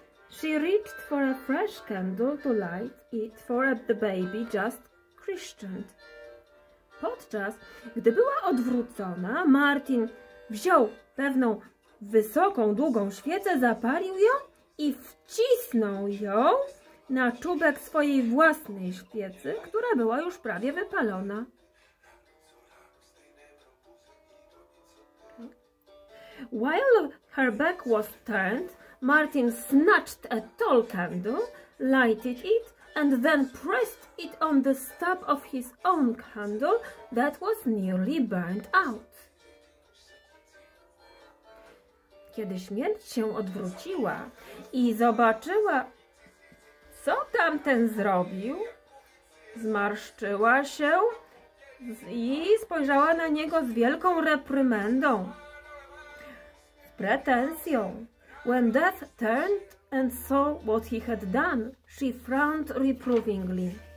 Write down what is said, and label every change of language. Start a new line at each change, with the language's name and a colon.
English: She reached for a fresh candle to light it for the baby just christened.
Polish: Podczas gdy była odwrócona, Martin wziął pewną wysoką, długą świecę, zapalił ją i wcisnął ją na czubek swojej własnej świecy, która była już prawie wypalona.
English: While her back was turned, Martin snatched a tall candle, lighted it, and then pressed it on the stub of his own candle that was nearly burnt out.
Polish: Kiedy śmierć się odwróciła i zobaczyła, co tamten zrobił, zmarszczyła się i spojrzała na niego z wielką reprymendą. Pretensją.
English: When Death turned and saw what he had done, she frowned reprovingly.